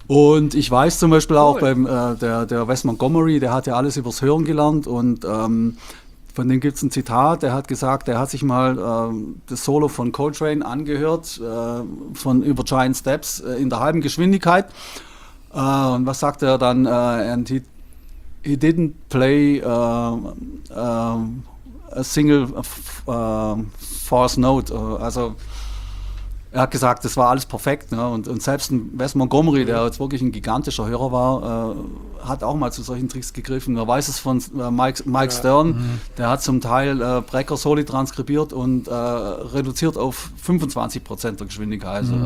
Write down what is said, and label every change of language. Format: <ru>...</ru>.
<de>Und ich weiß zum Beispiel auch, der Wes Montgomery, der hat ja alles übers Hören gelernt und von dem gibt es ein Zitat, der hat gesagt, er hat sich mal das Solo von Coltrane angehört, über Giant Steps in der halben Geschwindigkeit. Und was sagt er dann?</de> <en>And he didn't play a single false note.</en> <de>Also er hat gesagt, das war alles perfekt. Ne? Und selbst ein Wes Montgomery, der jetzt wirklich ein gigantischer Hörer war, hat auch mal zu solchen Tricks gegriffen. Man weiß es von Mike Stern, der hat zum Teil Brecker Soli transkribiert und reduziert auf 25% der Geschwindigkeit.</de>